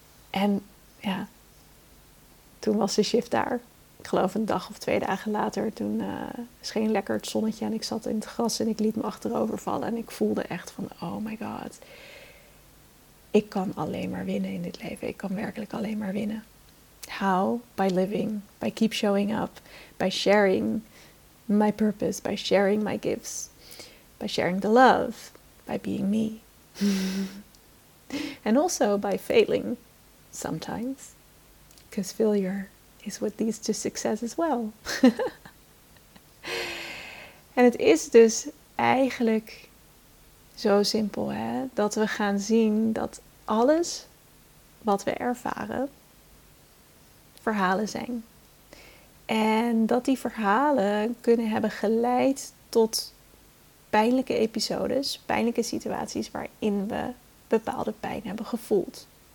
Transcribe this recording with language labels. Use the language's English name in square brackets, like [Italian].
[Dutch] En ja, toen was de shift daar. Ik geloof een dag of twee dagen later, toen scheen lekker het zonnetje en ik zat in het gras en ik liet me achterover vallen. En ik voelde echt van, [English] oh my god, [Dutch] ik kan alleen maar winnen in dit leven. Ik kan werkelijk alleen maar winnen. [English] How? By living, by keep showing up, by sharing my purpose, by sharing my gifts, by sharing the love, by being me. And also by failing sometimes, because failure is what leads to success as well. [Dutch] En het is dus eigenlijk zo simpel, hè, dat we gaan zien dat alles wat we ervaren verhalen zijn. En dat die verhalen kunnen hebben geleid tot pijnlijke episodes, pijnlijke situaties waarin we bepaalde pijn hebben gevoeld.